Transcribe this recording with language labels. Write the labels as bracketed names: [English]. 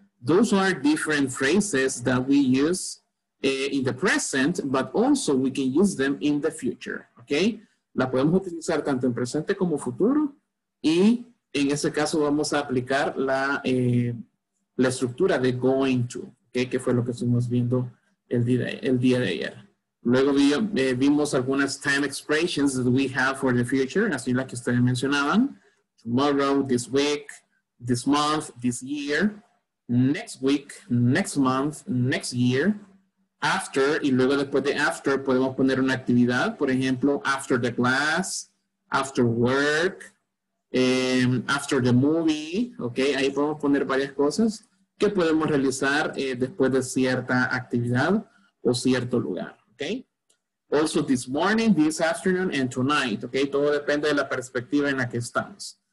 [English] Those are different phrases that we use in the present, but also we can use them in the future, ¿ok? [Spanish] La podemos utilizar tanto en presente como futuro y en ese caso vamos a aplicar la estructura de going to, ¿ok? Que fue lo que estuvimos viendo el día de ayer. Luego vimos algunas [English] time expressions that we have for the future, [Spanish] así la que ustedes mencionaban. [English] Tomorrow, this week, this month, this year, next week, next month, next year. [Spanish] After, y luego después de after, podemos poner una actividad. Por ejemplo, [English] after the class, after work, after the movie. [Spanish] Okay, ahí podemos poner varias cosas que podemos realizar después de cierta actividad o cierto lugar. [English] Okay, also this morning, this afternoon, and tonight. [Spanish] Okay, todo depende de la perspectiva en la que estamos.